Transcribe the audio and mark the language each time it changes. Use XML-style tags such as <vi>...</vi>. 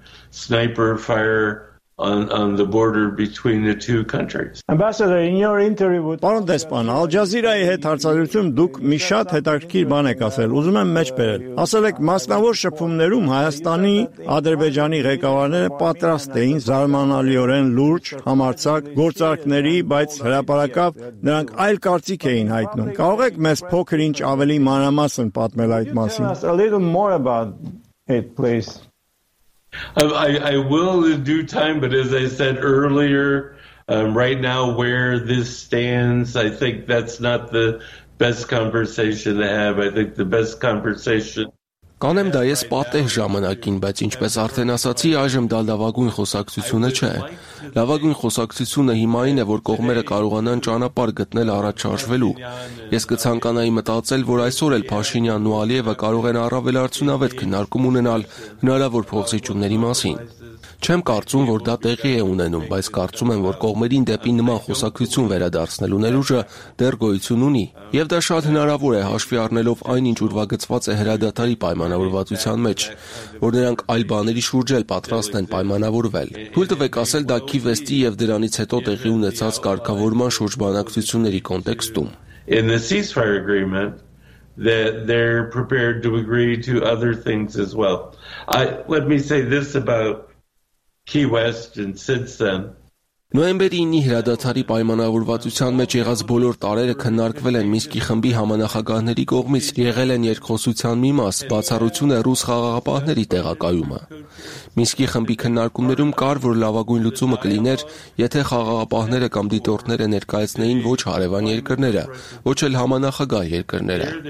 <en>Sniper fire on the border between the two countries. Ambassador, in your interview with</en> <hy>Պարոն Դեսպան, Al Jazeera-ի հետ հարցազրույցում դուք մի շատ հետաքրքիր բան եք ասել, ուզում եմ մեջ բերել։ Ասել եք, մասնավոր շփումներում Հայաստանի, Ադրբեջանի ղեկավարները պատրաստ էին զարմանալիորեն լուրջ համարձակ գործարքների, բայց հրապարակավ նրանք այլ կարծիք էին հայտնում։ Կարող եք մեզ փոքրինչ ավելի մանրամասն պատմել այդ մասին։</hy> <en>A little more about it, please. I will in due time, but as I said earlier, right now where this stands, I think that's not the best conversation to have. I think the best conversation.</en> <hy>Կանեմ դա ես պատեհ ժամանակին, բայց ինչպես արդեն ասացի, այժմ դա լավագույն խոսակցությունը չէ։ Լավագույն խոսակցությունը հիմա այն է, որ կողմերը կարողանան ճանապարհ գտնել առաջարկվելու։ Ես կցանկանայի մտածել, որ այսօր էլ Փաշինյանն ու Ալիևը կարող են առավել արդյունավետ քննարկում ունենալ հնարավոր փոխզիջումների մասին։ Չեմ կարծում, որ դա տեղի է ունենում, բայց կարծում եմ, որ կողմերին դեպի նման խոսակցություն վերադարձնելու ներուժը դեռ գոյություն ունի, եւ դա շատ հնարավոր է հաշվի առնելով այն, ինչ ուրվագծված է հրադադարի պայմանավորվածության մեջ, որ նրանք այլ բաների շուրջ էլ պատրաստ են պայմանավորվել։ Թույլ տվեք ասել, դա Քիվեստի եւ դրանից հետո տեղի ունեցած կարգավորման շուրջ բանակցությունների կոնտեքստում։</hy> <en>In the ceasefire agreement that they're prepared to agree to other things as well. Let me say this about Key West and since then</en> <hy>Նոյեմբերի 9-ի հրադադարի պայմանավորվածության մեջ եղած բոլոր տարերը քննարկվել են Միսկի խմբի համանախագահների կողմից, եղել են երկխոսության մի մաս, բացառություն է ռուս խաղաղապահների տեղակայումը։ Միսկի խմբի քննարկումներում կար, որ լավագույն լուծումը կլիներ, եթե խաղաղապահները կամ դիտորդները ներկայացնեին ոչ հարևան երկրները, ոչ էլ համանախագահ երկրները։</hy>